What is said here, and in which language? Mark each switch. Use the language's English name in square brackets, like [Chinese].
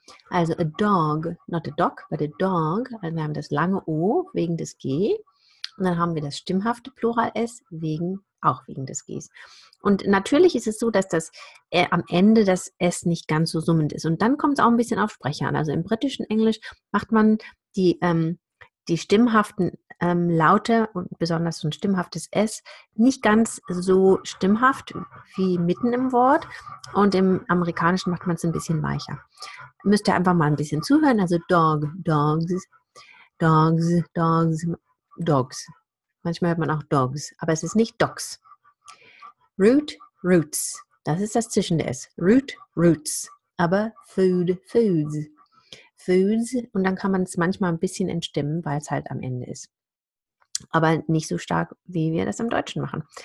[English] Also a dog, not a dog, but a dog. [German] Also wir haben das lange O wegen des G. Und dann haben wir das stimmhafte Plural S wegen des Gs. Und natürlich ist es so, dass das am Ende das S nicht ganz so summend ist. Und dann kommt es auch ein bisschen auf Sprecher an. Also im britischen Englisch macht man die stimmhaften Laute und besonders so ein stimmhaftes S nicht ganz so stimmhaft wie mitten im Wort. Und im Amerikanischen macht man es ein bisschen weicher. Müsst ihr einfach mal ein bisschen zuhören. [English] Also dog, dogs, dogs, dogs, dogs. [German] Manchmal hört man auch dogs, aber es ist nicht dogs. Root, roots. Das ist das zwischen S. Root, roots. [English] Aber food, foods. Foods. [German] Und dann kann man es manchmal ein bisschen entstimmen, weil es halt am Ende ist. Aber nicht so stark, wie wir das im Deutschen machen.